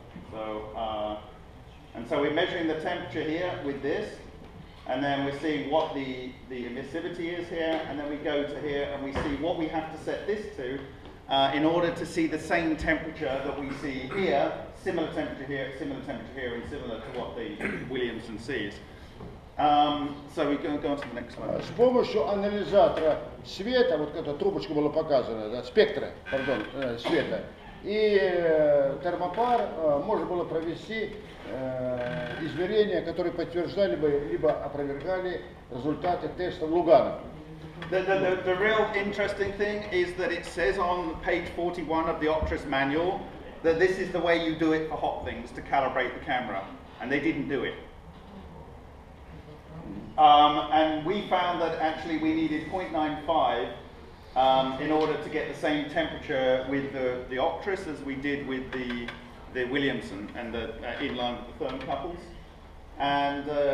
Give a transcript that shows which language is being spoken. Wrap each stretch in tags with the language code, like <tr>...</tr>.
<en>So, and so we're measuring the temperature here with this, and then we're seeing what the emissivity is here, and then we go to here and we see what we have to set this to in order to see the same temperature that we see here, similar temperature here, and similar to what the Williamson sees. So we go on to the next one.</en> <ru>С помощью анализатора света, вот эта трубочка была показана, да, спектра, пардон, света, и термопар можно было провести измерения, которые подтверждали бы либо опровергали результаты теста Лугана.</ru> <en>The real interesting thing is that it says on page 41 of the Optris manual that this is the way you do it for hot things, to calibrate the camera, and they didn't do it. And we found that actually we needed 0.95 in order to get the same temperature with the Optris as we did with the Williamson and the in line with the thermocouples. And</en>